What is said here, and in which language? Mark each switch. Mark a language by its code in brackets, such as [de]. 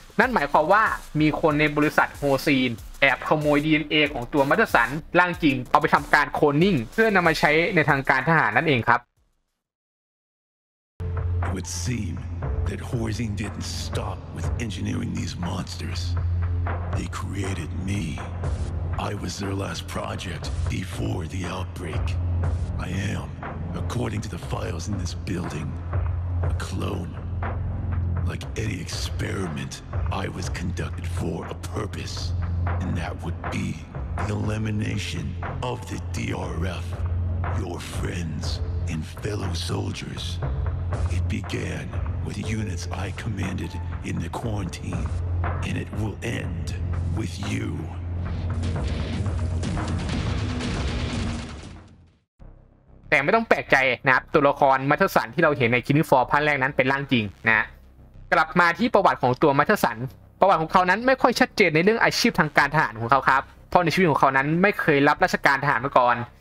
[th] นั่นหมายความว่ามีคนในบริษัทโฮซีนแอบขโมย DNA ของตัวมัตเตอร์สันร่างจริงเอาไปทำการโคลนนิ่งเพื่อนำมาใช้ในทางการทหารนั่นเองครับ [en] It would seem that Horsing didn't stop with engineering these monsters. They created me. I was their last project before the outbreak. I am, according to the files in this building, a cloneLike any experiment, I was conducted for a purpose, and that would be the elimination of the DRF, your friends and fellow soldiers. It began with units I commanded in the quarantine, and it will end with you. [th] แต่ไม่ต้องแปลกใจนะครับตัวละครมัทสันที่เราเห็นในคินิฟอร์ภาคแรกนั้นเป็นร่างจริงนะกลับมาที่ประวัติของตัวมัทสันประวัติของเขานั้นไม่ค่อยชัดเจนในเรื่องอาชีพทางการทหารของเขาครับเพราะในชีวิตของเขานั้นไม่เคยรับราชการทหารมาก่อน